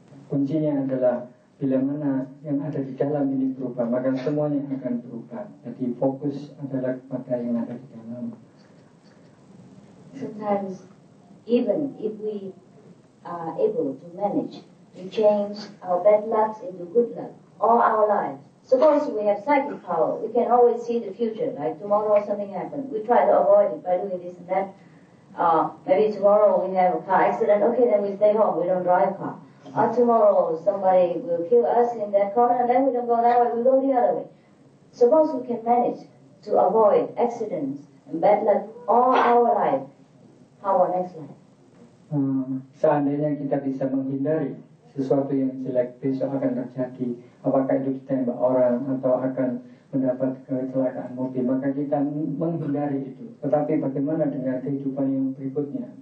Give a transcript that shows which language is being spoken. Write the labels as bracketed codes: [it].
[id] Kuncinya adalah bila mana yang ada di dalam ini berubah, maka semuanya akan berubah. Jadi fokus adalah kepada yang ada di dalam. [en] Sometimes, even if we are able to manage, we change our bad luck into good luck all our lives. Suppose we have psychic power, we can always see the future, like tomorrow something happens. We try to avoid it by doing this and that. Maybe tomorrow we have a car accident, okay, then we stay home, we don't drive a car. Or tomorrow somebody will kill us in that corner, and then we don't go that way, we go the other way. Suppose we can manage to avoid accidents and bad luck all our life. How about next life? [id] Seandainya kita bisa menghindari sesuatu yang jelek besok akan terjadi, apakah itu ditembak orang atau akan mendapat kecelakaan mobil, maka kita menghindari itu. Tetapi bagaimana dengan kehidupan yang berikutnya?